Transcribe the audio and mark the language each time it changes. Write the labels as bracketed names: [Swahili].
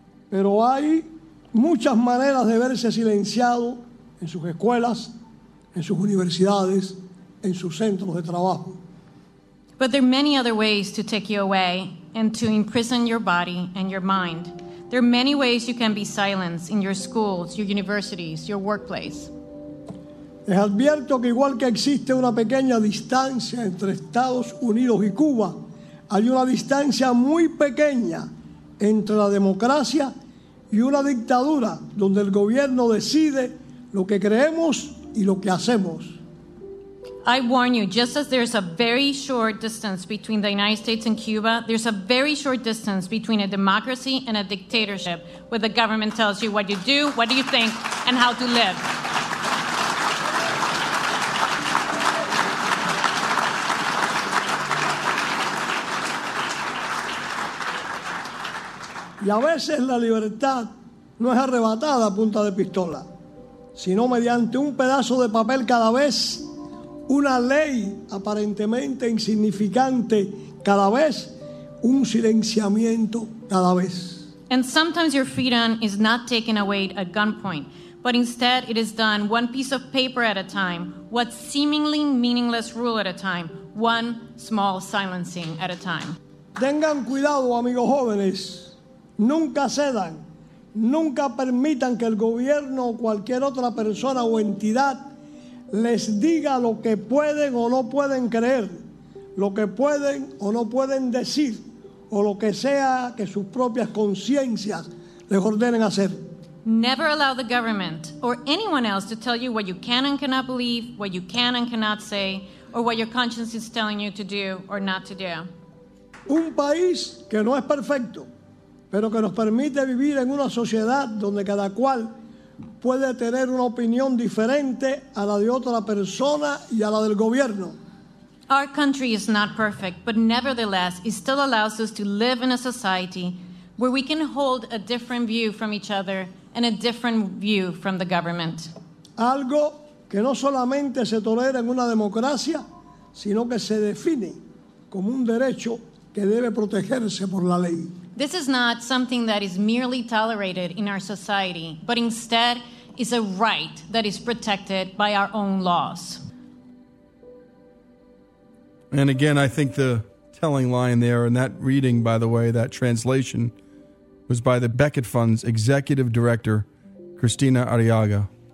[Spanish] Pero hay muchas maneras de verse silenciado en sus escuelas, en sus universidades, en sus centros de trabajo. [English] But there are many other ways to take you away and to imprison your body and your mind. There are many ways you can be silenced in your schools, your universities, your workplace. [Spanish] Les advierto que igual que existe una pequeña distancia entre Estados Unidos y Cuba, hay una distancia muy pequeña entre la democracia y una dictadura donde el gobierno decide lo que creemos y lo que hacemos. [English] I warn you, just as there's a very short distance between the United States and Cuba, there's a very short distance between a democracy and a dictatorship where the government tells you what you do, what do you think, and how to live. [Spanish] Y a veces la libertad no es arrebatada a punta de pistola, sino mediante un pedazo de papel cada vez. Una ley aparentemente insignificante cada vez, un silenciamiento cada vez. [English] And sometimes your freedom is not taken away at gunpoint, but instead it is done one piece of paper at a time, what seemingly meaningless rule at a time, one small silencing at a time. [Spanish] Tengan cuidado, amigos jóvenes. Nunca cedan. Nunca permitan que el gobierno o cualquier otra persona o entidad les diga lo que pueden o no pueden creer, lo que pueden o no pueden decir, o lo que sea que sus propias conciencias les ordenen hacer. [English] Never allow the government or anyone else to tell you what you can and cannot believe, what you can and cannot say, or what your conscience is telling you to do or not to do. [Spanish] Un país que no es perfecto, pero que nos permite vivir en una sociedad donde cada cual puede tener una opinión diferente a la de otra persona y a la del gobierno. [English] Our country is not perfect, but nevertheless, it still allows us to live in a society where we can hold a different view from each other and a different view from the government. [Spanish] Algo que no solamente se tolera en una democracia, sino que se define como un derecho que debe protegerse por la ley. [English] This is not something that is merely tolerated in our society, but instead is a right that is protected by our own laws. And again, I think the telling line there, and that reading, by the way, that translation, was by the Beckett Fund's executive director, Christina Arriaga.